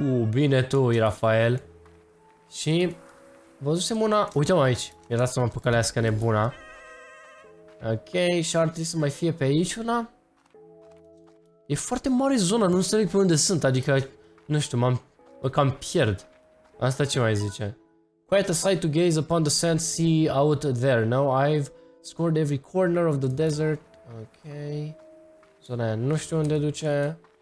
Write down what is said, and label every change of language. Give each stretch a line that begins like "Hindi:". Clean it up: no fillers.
Romanian: Bine tu, Rafael. Și văzusem una. Uite-mă aici. Era să mă păcălească nebuna. Ok, și ar trebui să mai fie pe aici una. E foarte mare zona, nu înțeleg pe unde sunt, adică, nu știu, mă cam pierd. Asta ce mai zice?
English: Quite a sight to gaze upon the sand sea out there, no? I've scored every corner of the desert. Ok.
Romanian: Zona aia nu știu unde duce.